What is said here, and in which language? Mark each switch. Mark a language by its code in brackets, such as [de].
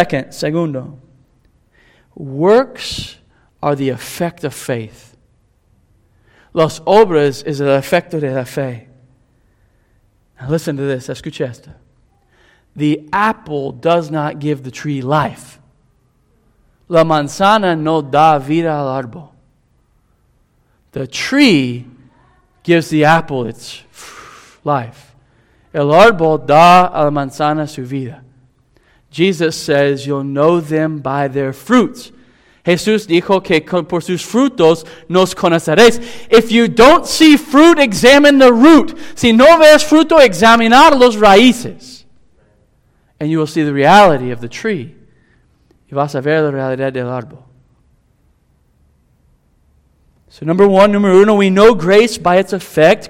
[en] Segundo, works are the effect of faith. [es] Las obras es el efecto de la fe. [en] Now listen to this. [es] Escucha esto. [en] The apple does not give the tree life. [es] La manzana no da vida al árbol. [en] The tree gives the apple its life. [es] El árbol da a la manzana su vida. [en] Jesus says, you'll know them by their fruits. [es] Jesús dijo que por sus frutos nos conoceréis. [en] If you don't see fruit, examine the root. [es] Si no ves fruto, examinar los raíces. [en] And you will see the reality of the tree. [es] Y vas a ver la realidad del árbol. [en] So number 1, we know grace by its effect.